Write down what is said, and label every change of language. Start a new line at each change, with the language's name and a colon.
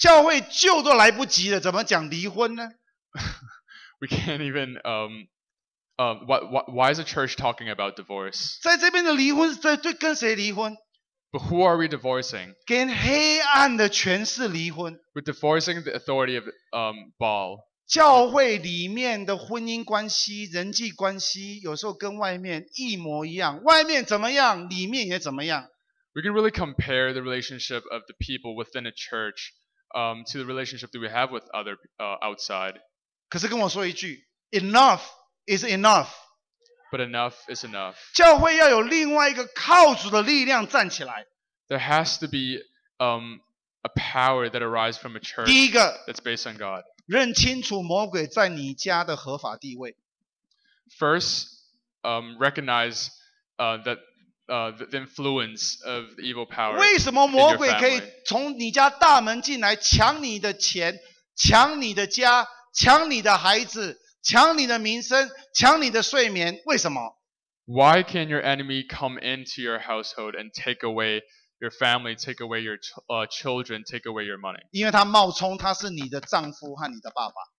Chinese: 教会救都来不及了，怎么讲离婚呢？
English: We can't even why is a church talking about divorce?
Chinese: 在这边的离婚是对跟谁离婚？
English: But who are we divorcing?
Chinese: 跟黑暗的权势离婚。
English: We're divorcing the authority of Baal.
Chinese: 教会里面的婚姻关系、人际关系，有时候跟外面一模一样。外面怎么样，里面也怎么样。
English: We can really compare the relationship of the people within a church, to the relationship that we have with other outside.
Chinese: 可是跟我说一句 ，
English: enough is enough。 But enough is enough。
Chinese: 教会要有另外一个靠主的力量站起来。
English: There has to be a power that arises from a church.
Chinese: 第一个
English: that's based on God。
Chinese: 认清楚魔鬼在你家的合法地位。
English: First, recognize that. The influence of the evil power.
Chinese: 为什么魔鬼可以从你家大门进来，抢你的钱，抢你的家，抢你的孩子，抢你的名声，抢你的睡眠？为什么
English: ？Why can your enemy come into your household and take away your family, take away your children, take away your money?
Chinese: 因为他冒充他是你的丈夫和你的爸爸。